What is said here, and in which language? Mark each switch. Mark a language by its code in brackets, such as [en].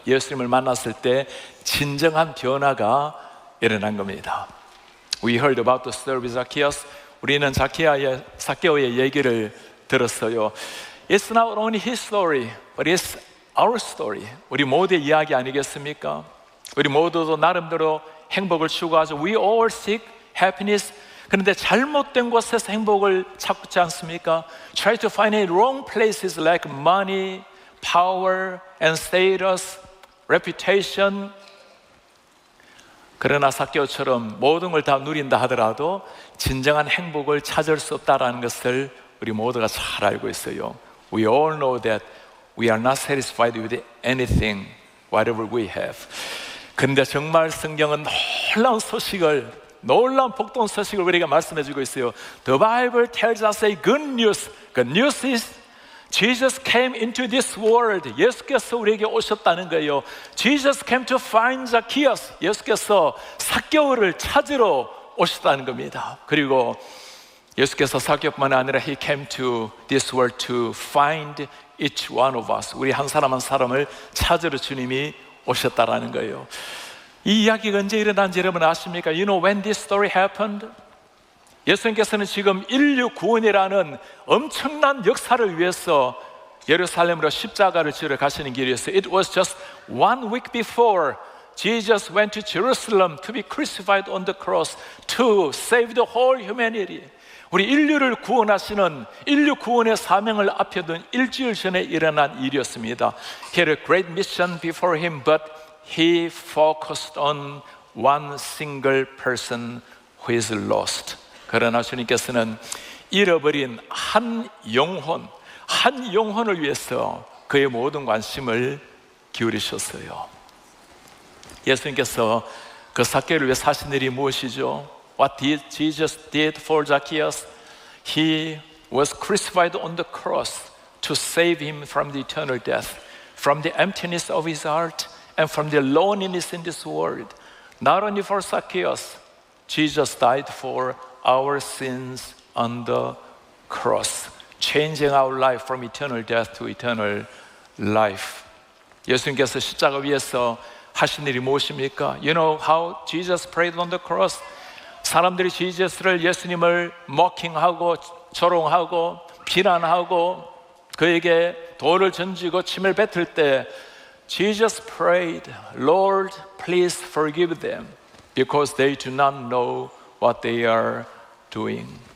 [ko] 예수님을 만났을 때 진정한 변화가 일어난 겁니다. [en] We heard about the story of Zacchaeus. [ko] 우리는 삭개오의 얘기를 들었어요. [en] It's not only his story, but it's our story. [ko] 우리 모두의 이야기 아니겠습니까? 우리 모두도 나름대로 행복을 추구하죠. [en] We all seek happiness. [ko] 그런데 잘못된 곳에서 행복을 찾지 않습니까? [en] Try to find in wrong places like money, power, and status, reputation. [ko] 그러나 삭개오처럼 모든 걸 다 누린다 하더라도 진정한 행복을 찾을 수 없다라는 것을 우리 모두가 잘 알고 있어요. [en] We all know that we are not satisfied with anything, whatever we have. [ko] 근데 정말 성경은 놀라운 소식을, 놀라운 복돈 소식을 우리가 말씀해 주고 있어요. [en] The Bible tells us a good news. The news is Jesus came into this world. [ko] 예수께서 우리에게 오셨다는 거예요. [en] Jesus came to find Zacchaeus. [ko] 예수께서 삭개오를 찾으러 오셨다는 겁니다. 그리고 예수께서 삭개오뿐만 아니라 [en] He came to this world to find each one of us. [ko] 우리 한 사람 한 사람을 찾으러 주님이 오셨다라는 거예요. 이 이야기가 언제 일어난지 여러분 아십니까? [en] You know when this story happened? [ko] 예수님께서는 지금 인류 구원이라는 엄청난 역사를 위해서 예루살렘으로 십자가를 지러 가시는 길이었어요. [en] It was just one week before Jesus went to Jerusalem to be crucified on the cross to save the whole humanity. [ko] 우리 인류를 구원하시는 인류 구원의 사명을 앞에 둔 일주일 전에 일어난 일이었습니다. [en] He had a great mission before him, but he focused on one single person who is lost. [ko] 그러나 주님께서는 잃어버린 한 영혼을 위해서 그의 모든 관심을 기울이셨어요. 예수님께서 그 삭개오를 위해 사신 일이 무엇이죠? [en] What did Jesus did for Zacchaeus? He was crucified on the cross to save him from the eternal death, from the emptiness of his heart, and from the loneliness in this world. Not only for Zacchaeus, Jesus died for our sins on the cross, changing our life from eternal death to eternal life. [ko] 예수님께서 십자가 위에서 하신 일이 무엇입니까? [en] You know how Jesus prayed on the cross? [ko] 사람들이 지저스를 예수님을 mocking하고 조롱하고 비난하고 그에게 돌을 던지고 침을 뱉을 때 [en] Jesus prayed, Lord, please forgive them because they do not know what they are doing.